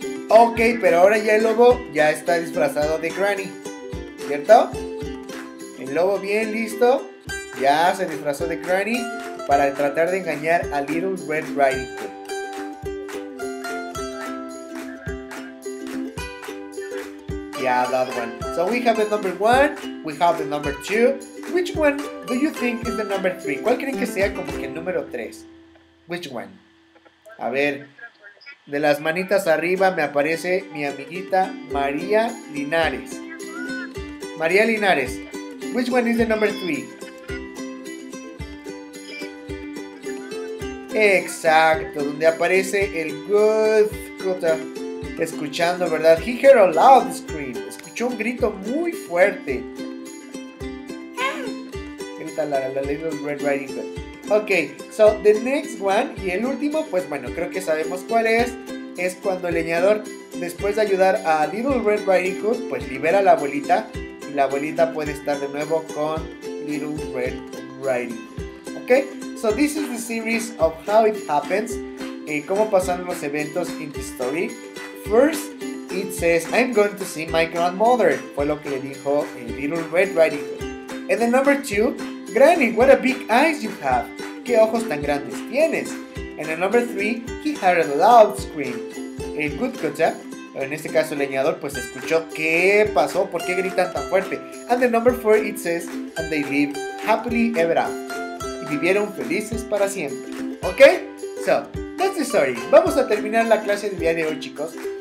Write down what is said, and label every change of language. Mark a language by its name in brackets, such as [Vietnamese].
[Spanish] Ok, pero ahora ya el lobo ya está disfrazado de Granny, ¿cierto? El lobo bien listo, ya se disfrazó de Granny para tratar de engañar a Little Red Riding Hood. [English] Yeah, that one. So we have the number one, we have the number two. Which one do you think is the number three? [Spanish] ¿Cuál creen que sea como que el número tres? [English] Which one? [Spanish] A ver, de las manitas arriba me aparece mi amiguita María Linares. [English] María Linares, which one is the number three? [Spanish] Exacto, donde aparece el good cutter escuchando, ¿verdad? [English] He heard a loud scream. [Spanish] Escuchó un grito muy fuerte. Grita la Little Red Riding Hood. [English] Ok, so the next one [Spanish] y el último, pues bueno, creo que sabemos cuál es. Es cuando el leñador, después de ayudar a Little Red Riding Hood, pues libera a la abuelita. Y la abuelita puede estar de nuevo con Little Red Riding Hood. [English] Ok, so this is the series of how it happens. [Spanish] Cómo pasan los eventos [English] in the story. First, it says, I'm going to see my grandmother. [Spanish] Fue lo que le dijo Little Red Riding Hood. [English] And then number two, Granny, what a big eyes you have. [Spanish] Qué ojos tan grandes tienes. [English] And then number three, he heard a loud scream. [Spanish] El good cutter, en este caso el leñador, pues escuchó qué pasó, por qué gritan tan fuerte. [English] And then number four, it says, and they live happily ever after. [Spanish] Y vivieron felices para siempre. [English] Ok, so, that's the story. [Spanish] Vamos a terminar la clase del día de hoy, chicos.